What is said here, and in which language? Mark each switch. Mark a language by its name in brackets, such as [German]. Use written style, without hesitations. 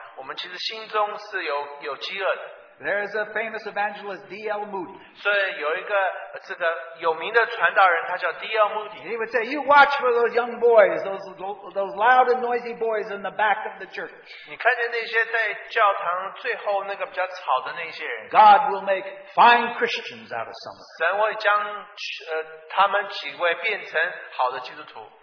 [Chinese] 所以有的时候在我们这个很粗犷的外表，我们其实心中是有饥饿的。 [English] There is a famous evangelist, D.L. Moody. [Chinese] 所以有一个这个有名的传道人，他叫D.L. Moody. [English] He would say, "You watch for those young boys, those loud and noisy boys in the back of the church." [Chinese] 你看见那些在教堂最后那个比较吵的那些人。 [English] God will make fine Christians out of some. [Chinese] 神会将他们几位变成好的基督徒。